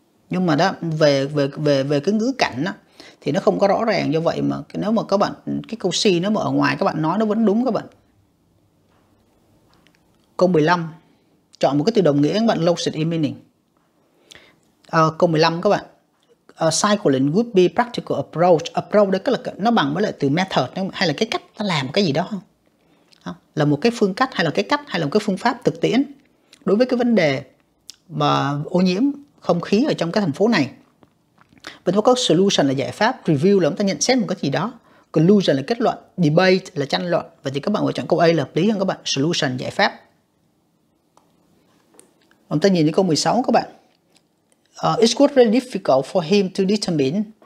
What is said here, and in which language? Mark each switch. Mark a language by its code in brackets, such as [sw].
[vi] Nhưng mà đó về cái ngữ cảnh đó thì nó không có rõ ràng, do vậy mà nếu mà các bạn cái câu C nó mà ở ngoài các bạn nói nó vẫn đúng các bạn. Câu 15. Chọn một cái từ đồng nghĩa các bạn, [en] lost in meaning. [vi] Câu 15 các bạn. [en] Cycling would be practical approach. [vi] Approach đó là nó bằng với lại từ method hay là cái cách ta làm cái gì đó không? Không? Là một cái phương cách hay là cái cách hay là một cái phương pháp thực tiễn đối với cái vấn đề mà ô nhiễm không khí ở trong cái thành phố này. Và có solution là giải pháp, review là chúng ta nhận xét một cái gì đó, conclusion là kết luận, debate là tranh luận. Vậy thì các bạn phải chọn câu A là hợp lý hơn các bạn, solution giải pháp. Chúng ta nhìn đến câu 16 các bạn. [en] It's quite really difficult for him to determine.